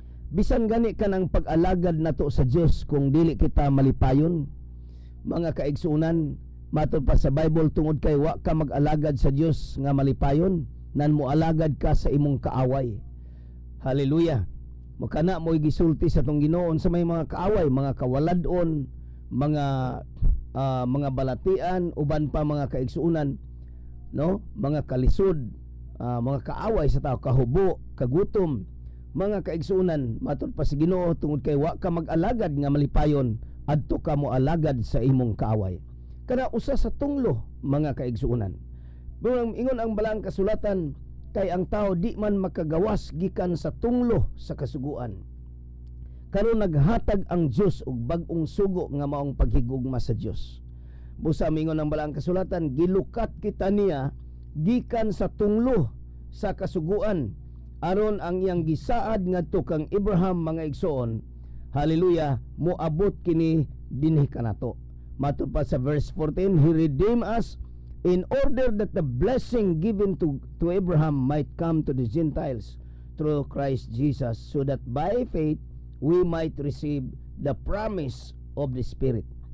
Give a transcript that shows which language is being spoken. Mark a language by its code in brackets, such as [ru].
[ceb] Bisan gani ka ng pag-alagad na to sa Diyos kung dili kita malipayon. Mga kaigsunan, matod pa sa Bible, tungod kay wa ka mag-alagad sa Diyos nga malipayon, nan mo alagad ka sa imong kaaway. Hallelujah! Makana mo igisulti sa tong Ginoon sa may mga kaaway, mga kawaladon, mga balatian, uban pa mga kaigsunan, no, mga kalisod, mga kaaway sa tao, kahubo, kagutom, mga kaigsuunan, matod pa si Ginoo tungod kay wa ka mag-alagad nga malipayon adto ka mo alagad sa imong kaaway. Kana usa sa tunglo mga kaigsuunan. Ingon ang balaang kasulatan kay ang tao di man makagawas gikan sa tunglo sa kasuguan. Karon naghatag ang Dios og bag-ong sugo nga maong paghigugma sa Dios. Busa mingon ang balaang kasulatan, gilukat kita niya gikan sa tunglo sa kasuguan aron ang iyang gisaad ngadto kang Abraham mga igsoon. Hallelujah, moabot kini dinhi kanato. Matod pa sa [en] verse 14, he redeemed us in order that the blessing given to Abraham might come to the Gentiles through Christ Jesus, so that by faith we might receive the promise of the Spirit.